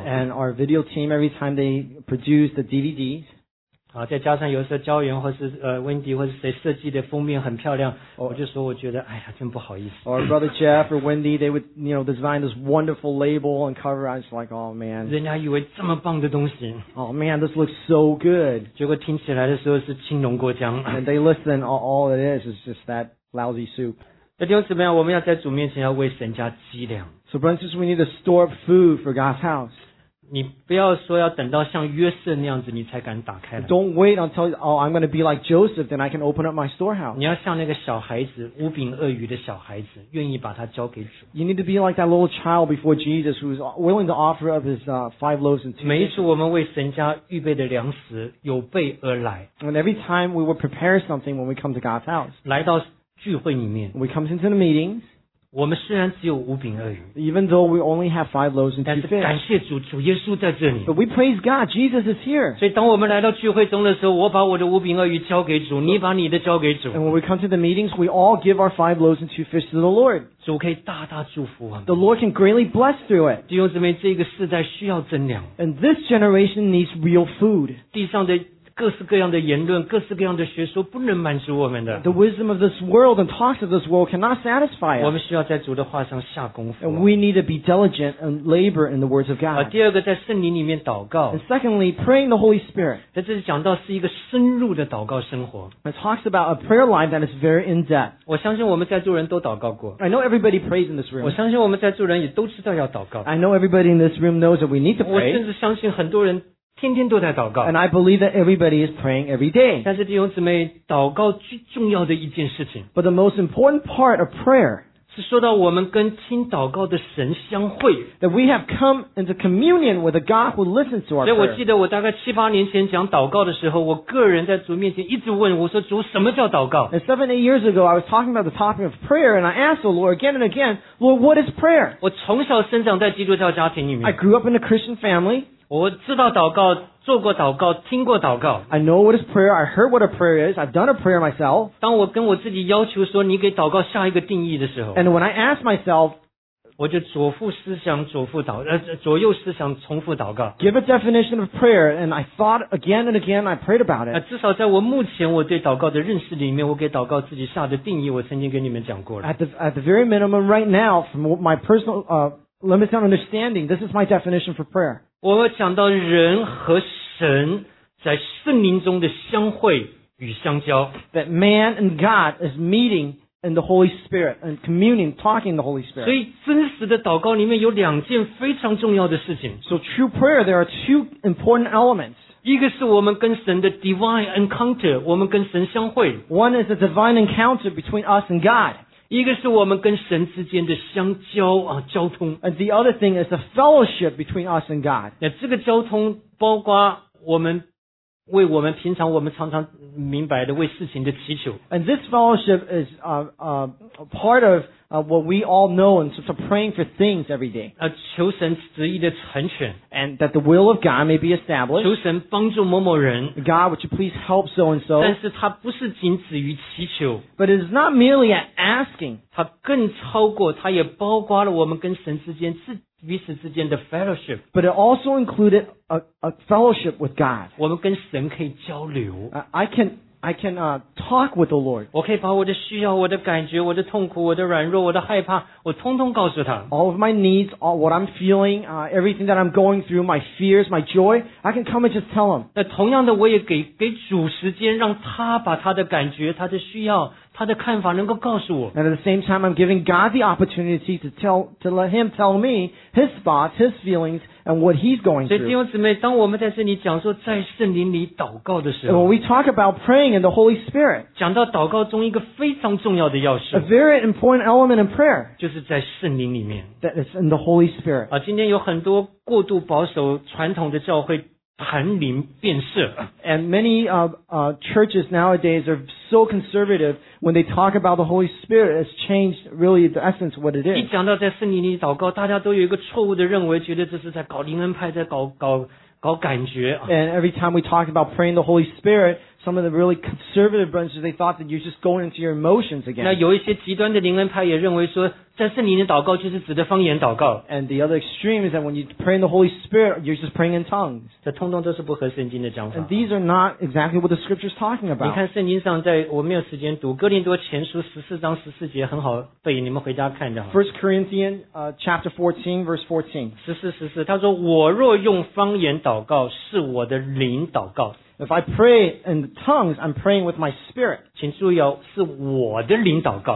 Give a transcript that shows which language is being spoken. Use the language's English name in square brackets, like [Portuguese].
[English] And our video team, every time they produce the DVDs, [Chinese] 再加上有时候教员或是Wendy 或是谁设计的封面很漂亮 or, 我就说我觉得哎呀真不好意思 [English] or brother Jeff or Wendy they would you know design this wonderful label and cover I was like oh man [Chinese] 人家以为这么棒的东西 [English] oh man this looks so good [Chinese] 结果听起来的时候是青龙过江 [English] and they listen all it is just that lousy soup [Chinese] 那弟兄姊妹我们要在主面前要为神家积粮 [English] so brothers we need to store up food for God's house [Chinese] 你不要说要等到像约瑟那样子你才敢打开来。 [English] Don't wait until, oh, I'm going to be like Joseph, then I can open up my storehouse. [Chinese] 你要像那个小孩子无饼鳄鱼的小孩子愿意把它交给主。 [English] You need to be like that little child before Jesus who is willing to offer up his five loaves and two fish. [Chinese] 每一次我们为神家预备的粮食有备而来。 [English] And every time we will prepare something when we come to God's house. [Chinese] 来到聚会里面。 [English] We come into the meeting. [Chinese] 我们虽然只有五饼鳄鱼 [English] Even though we only have five loaves and two fish [Chinese] 但是感谢主主耶稣在这里 [English] But we praise God, Jesus is here [Chinese] 所以当我们来到聚会中的时候我把我的五饼鳄鱼交给主你把你的交给主 [English] And when we come to the meetings we all give our five loaves and two fish to the Lord [Chinese] 主可以大大祝福我们 [English] The Lord can greatly bless through it [Chinese] 弟兄姊妹这个世代需要真粮 [English] And this generation needs real food [Chinese] 地上的各式各样的言论各式各样的学说不能满足我们的 [English] The wisdom of this world and talks of this world cannot satisfy us [Chinese] 我们需要在主的话上下功夫 [English] And we need to be diligent and labor in the words of God [Chinese] 第二个在圣灵里面祷告 [English] And secondly, praying the Holy Spirit [Chinese] 在这里讲到是一个深入的祷告生活 [English] It talks about a prayer life that is very in-depth [Chinese] 我相信我们在座人都祷告过 [English] I know everybody prays in this room [Chinese] 我相信我们在座人也都知道要祷告 [English] I know everybody in this room knows that we need to pray [Chinese] 我甚至相信很多人天天都在祷告 [English] And I believe that everybody is praying every day. [Chinese] 但是弟兄姊妹，祷告最重要的一件事情 [English] But the most important part of prayer [Chinese] 是说到我们跟听祷告的神相会 [English] That we have come into communion with a God who listens to our prayer. [Chinese] 所以我记得我大概七八年前讲祷告的时候，我个人在主面前一直问我说主什么叫祷告 [English] And 7-8 years ago, I was talking about the topic of prayer, and I asked the Lord again and again, Lord, what is prayer? [Chinese] 我从小生长在基督教家庭里面 [English] I grew up in a Christian family. [Chinese] 我知道祷告，做过祷告，听过祷告。 [English] I know what is prayer. I heard what a prayer is. I've done a prayer myself. [Chinese] 当我跟我自己要求说你给祷告下一个定义的时候 [English] ，And when I ask myself, [Chinese] 我就左腹思想，左腹祷，左右思想，重复祷告。 [English] Give a definition of prayer, and I thought again and again. I prayed about it. [Chinese] 至少在我目前我对祷告的认识里面，我给祷告自己下的定义，我曾经跟你们讲过了。 [English] At the very minimum, right now, from my personal limited understanding, this is my definition for prayer. [Chinese] 我们讲到人和神在圣灵中的相会与相交 [English] That man and God is meeting in the Holy Spirit and communing, talking the Holy Spirit [Chinese] 所以真实的祷告里面有两件非常重要的事情 [English] So true prayer, there are two important elements [Chinese] 一个是我们跟神的 [English] divine encounter, [Chinese] 我们跟神相会 [English] One is a divine encounter between us and God And the other thing is the fellowship between us and God. [Chinese] 那这个交通包括我们为我们平常我们常常明白的为事情的祈求。 [English] And this fellowship is part of what we all know in terms of praying for things every day. [Chinese] 求神旨意的成全。 [English] And that the will of God may be established. [Chinese] 求神帮助某某人。 [English] God, would you please help so and so? [Chinese] 但是它不是仅止于祈求。 [English] But it is not merely an asking. [Chinese] 它更超过，它也包括了我们跟神之间自己。彼此之间的 fellowship [English] but it also included a fellowship with God [Chinese] 我们跟神可以交流 [English] I can talk with the Lord [Chinese] 我可以把我的需要我的感觉我的痛苦我的软弱我的害怕我通通告诉他 [English] all of my needs all what I'm feeling everything that I'm going through my fears my joy I can come and just tell him [Chinese] 那同样的我也给主时间让他把他的感觉他的需要他的看法能够告诉我。 [English] And at the same time, I'm giving God the opportunity to let him tell me his thoughts, his feelings, and what he's going through. [Chinese] 所以弟兄姊妹，当我们在这里讲说在圣灵里祷告的时候 [English] ，When we talk about praying in the Holy Spirit, [Chinese] 讲到祷告中一个非常重要的要素 [English] ，a very important element in prayer, [Chinese] 就是在圣灵里面 [English] ，that is in the Holy Spirit. [Chinese] 啊，今天有很多过度保守传统的教会。谈灵变色 [English] and many churches nowadays are so conservative when they talk about the Holy Spirit has changed really the essence of what it is. [Chinese] 一讲到在圣灵里祷告，大家都有一个错误的认为，觉得这是在搞灵恩派，在搞感觉。 [English] And every time we talk about praying the Holy Spirit, some of the really conservative branches they thought that you're just going into your emotions again. [Chinese] 那有一些极端的灵恩派也认为说。在圣灵的祷告就是指的方言祷告 [English] And the other extreme is that when you pray in the Holy Spirit, you're just praying in tongues. [Chinese] 这通通都是不合圣经的讲法 [English] And these are not exactly what the scripture is talking about. [Chinese] 你看圣经上在我没有时间读哥林多前书14章14节很好背你们回家看的 [English] 1 Corinthians chapter 14 verse 14 [Chinese] 14他说我若用方言祷告是我的灵祷告 [English] If I pray in tongues, I'm praying with my spirit. [Chinese] 请注意哦是我的灵祷告